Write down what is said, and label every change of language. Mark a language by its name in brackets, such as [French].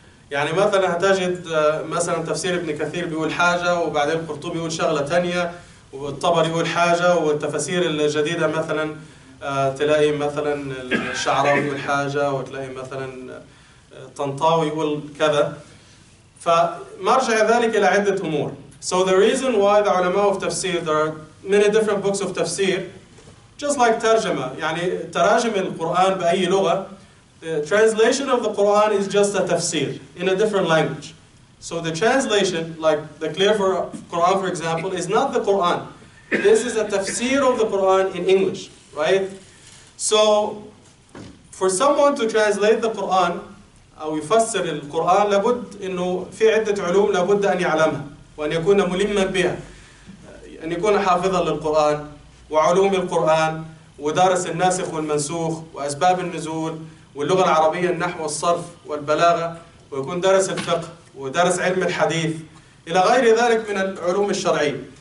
[Arabic] يعني مثلا هتجد مثلا تفسير ابن كثير بيقول حاجة وبعدين القرطبي يقول شغلة تانية والطبري يقول حاجة والتفسير الجديدة مثلا تلاقي مثلا الشعراوي يقول حاجة وتلاقي مثلا طنطاوي يقول كذا. فمرجع ذلك إلى عدة أمور. [English] So the reason why the علماء of تفسير, there are many different books of تفسير just like ترجمة, [Arabic] يعني تراجم القرآن بأي لغة. [English] The translation of the Quran is just a tafsir in a different language. So the translation, like the clear for Quran, for example, is not the Quran. This is a tafsir of the Quran in English, right? So for someone to translate the Quran, [Arabic] أو يفسر القرآن, لابد إنه في عدة علوم لابد أن يعلمها وأن يكون ملما بها, أن يكون حافظا للقرآن وعلوم القرآن ودارس الناسخ والمنسوخ وأسباب النزول واللغة العربية النحو والصرف والبلاغة, ويكون درس الفقه ودرس علم الحديث إلى غير ذلك من العلوم الشرعية.